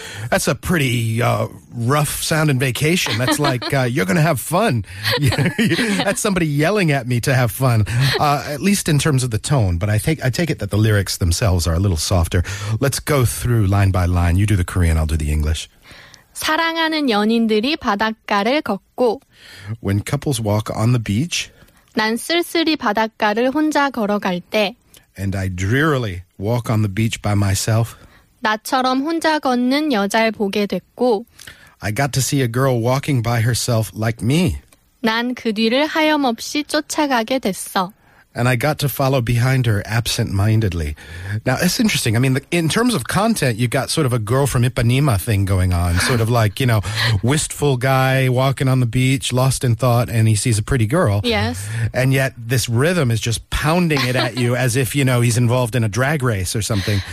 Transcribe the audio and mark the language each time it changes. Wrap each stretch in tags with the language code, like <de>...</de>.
<en>That's a pretty rough sound in vacation. That's like, you're going to have fun. That's somebody yelling at me to have fun, at least in terms of the tone. But I take it that the lyrics themselves are a little softer. Let's go through line by line. You do the Korean, I'll do the English.</en> <ko>사랑하는 연인들이 바닷가를 걷고</ko> <en>When couples walk on the beach</en> <ko>난 쓸쓸히 바닷가를 혼자 걸어갈 때</ko> <en>And I drearily walk on the beach by myself</en> <ko>나처럼 혼자 걷는 여자를 보게 됐고</ko> <en>I got to see a girl walking by herself like me.</en> <ko>난 그 뒤를 하염없이 쫓아가게 됐어.</ko> <en>And I got to follow behind her absent-mindedly. Now, it's interesting. I mean, in terms of content, you've got sort of a girl from Ipanema thing going on. Sort of like, you know, wistful guy walking on the beach, lost in thought, and he sees a pretty girl. Yes. And yet this rhythm is just pounding it at you as if, you know, he's involved in a drag race or something.</en>